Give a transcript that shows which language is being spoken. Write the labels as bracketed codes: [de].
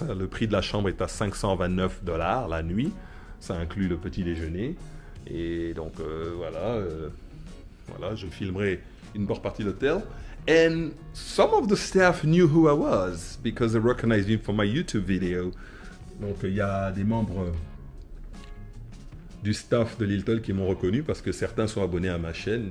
[fr] Le prix de la chambre est à $529 la nuit. Ça inclut le petit déjeuner. Et donc, voilà, je filmerai une bonne partie de l'hôtel. [en] And some of the staff knew who I was because they recognized me for my YouTube video. [fr] Donc il y a des membres du staff de Hilton qui m'ont reconnu parce que certains sont abonnés à ma chaîne.